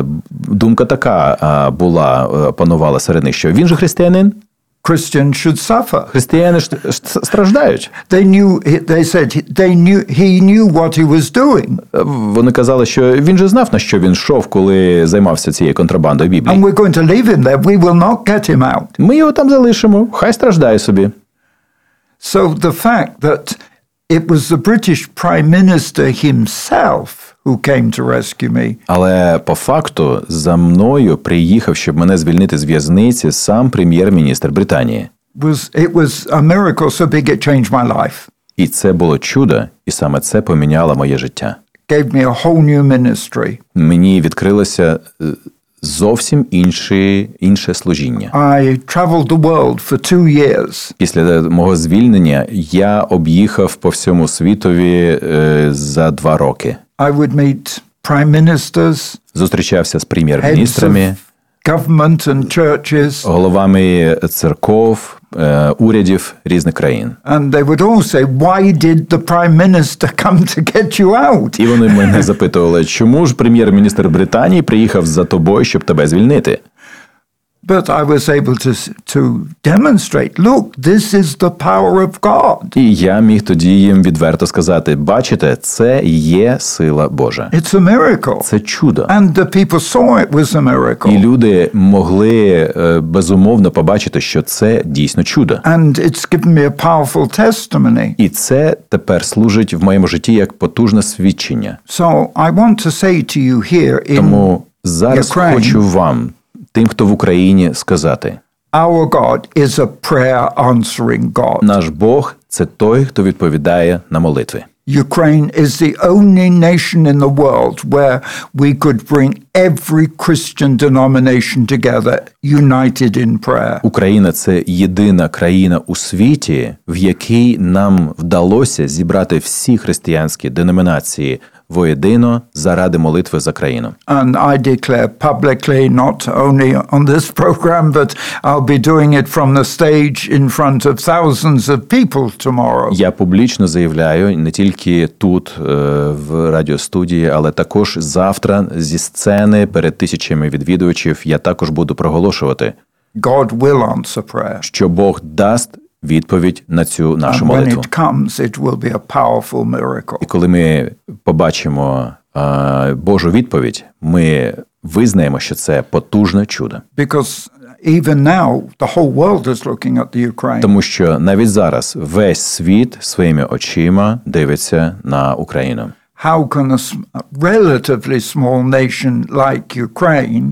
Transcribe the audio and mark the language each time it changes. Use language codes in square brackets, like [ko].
[uk] Думка така була, панувала серед них, що він же християнин. [en] Christians should suffer. [uk] Християни страждають. [en] They knew what he was doing. [uk] Вони казали, що він же знав, на що він йшов, коли займався цією контрабандою Біблії. [en] And we're going to leave him there. We will not get him out. [uk] Ми його там залишимо, хай страждає собі. [en] So the fact that it was the British Prime Minister himself. who came to rescue me. [uk] Але по факту за мною приїхав, щоб мене звільнити з в'язниці, сам прем'єр-міністр Британії. [en] It was a miracle so big it changed my life. [uk] І це було чудо, і саме це поміняло моє життя. [en] Gave me a whole new ministry. [uk] Мені відкрилося зовсім інше служіння. [en] I traveled the world for 2 years. [uk] Після мого звільнення я об'їхав по всьому світові за 2 роки. [en] I would meet prime ministers. [uk] Зустрічався з прем'єр-міністрами. [en] Government and churches. [uk] Головами церков, урядів різних країн. [en] And they would all say, why did the prime minister come to get you out? [uk] І вони мене запитували, чому ж прем'єр-міністр Британії приїхав за тобою, щоб тебе звільнити? [en] But I was able to demonstrate, look, this is the power of God. [uk] І я міг тоді їм відверто сказати, бачите, це є сила Божа. [en] It's a miracle. [uk] Це чудо. [en] And the people saw it was a miracle. [uk] І люди могли безумовно побачити, що це дійсно чудо. [en] And it's given me a powerful testimony. [uk] І це тепер служить в моєму житті як потужне свідчення. [en] So I want to say to you here in [uk] Тому зараз [en] Ukraine, [uk] хочу вам тим, хто в Україні, сказати. [en] Our God is a prayer-answering God. [uk] Наш Бог – це той, хто відповідає на молитви. [en] Ukraine is the only nation in the world where we could bring every Christian denomination together, united in prayer. [uk] Україна – це єдина країна у світі, в якій нам вдалося зібрати всі християнські деномінації воєдино заради молитви за країну. [en] And I declare publicly, not only on this program, but I'll be doing it from the stage in front of thousands of people tomorrow. [uk] Я публічно заявляю, не тільки тут, в радіостудії, але також завтра зі сцени перед тисячами відвідувачів я також буду проголошувати, [en] God will answer prayer. [uk] Що Бог дасть відповідь на цю нашу [en] And when [uk] молитву. [en] It comes, it will be a powerful miracle. [uk] І коли ми побачимо Божу відповідь, ми визнаємо, що це потужне чудо. [en] Because even now the whole world is looking at the Ukraine. [uk] Тому що навіть зараз весь світ своїми очима дивиться на Україну. [en] How can a relatively small nation like Ukraine?